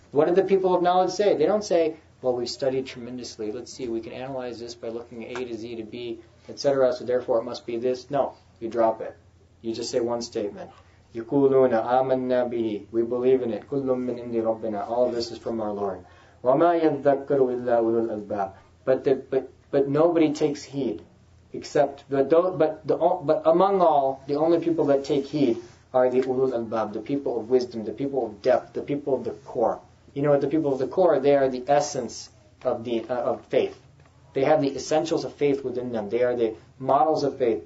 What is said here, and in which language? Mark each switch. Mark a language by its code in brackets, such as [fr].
[en] What do the people of knowledge say? They don't say, well, we've studied tremendously. Let's see, we can analyze this by looking at A to Z to B, etc. So therefore it must be this. No, you drop it. You just say one statement. [ar] يَقُولُونَ آمَنَّا بِهِ [en] We believe in it. [ar] كُلُّم مِّنْ إِنْدِ رَبِّنَا [en] All of this is from our Lord. [ar] وَمَا يَذَّكَّرُ إِلَّا أُولُو الْأَلْبَابِ [en] But nobody takes heed. But among all, the only people that take heed are the [ar] أُولُو الْأَلْبَابِ [en] The people of wisdom, the people of depth, the people of the core. You know what the people of the core, they are the essence of faith. They have the essentials of faith within them. They are the models of faith.